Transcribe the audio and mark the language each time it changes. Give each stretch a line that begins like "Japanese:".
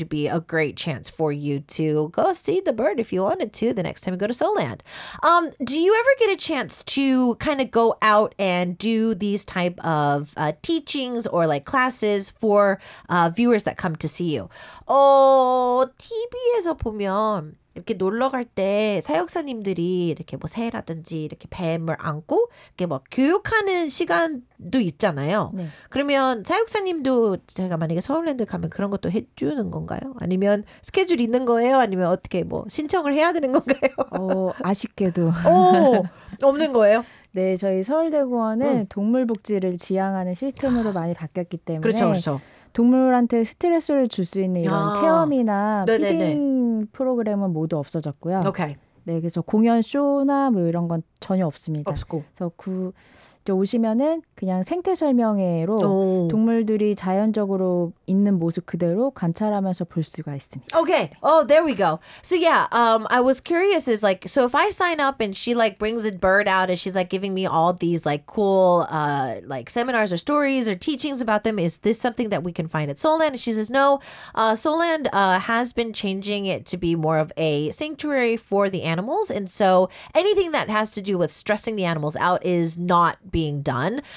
English: to be a great chance for you to go see the bird if you wanted to the next time you go to Seoulland. Do you ever get a chance to kind of go out and do these type of teachings or like classes for viewers that come to see you?
Korean: TV에서 보면 이렇게 놀러 갈 때 사역사님들이 이렇게 뭐 새라든지 이렇게 뱀을 안고 이렇게 뭐 교육하는 시간도 있잖아요. 네. 그러면 사역사님도 제가 만약에 서울랜드 가면 그런 것도 해주는 건가요? 아니면 스케줄 있는 거예요? 아니면 어떻게 뭐 신청을 해야 되는 건가요? 아쉽게도 없는 거예요? 네, 저희 서울대공원은 동물복지를 지향하는 시스템으로 많이 바뀌었기 때문에 그렇죠, 그렇죠. 동물한테 스트레스를 줄 수 있는 이런 체험이나 네네네. 피딩 프로그램은 모두 없어졌고요.
English: 오케이.
Korean: 네, 그래서 공연 쇼나 뭐 이런 건 전혀 없습니다. 없고. 그래서 오시면은 그냥 생태 설명회로 동물들이 자연적으로 있는 모습 그대로 관찰하면서 볼 수가 있습니다.
English: Okay. Oh, there we go. So yeah, I was curious is like, so if I sign up and she like brings a bird out and she's like giving me all these like cool like seminars or stories or teachings about them, is this something that we can find at Seoulland? And she says no. Seoulland has been changing it to be more of a sanctuary for the animals, and so anything that has to do with stressing the animals out is not being done.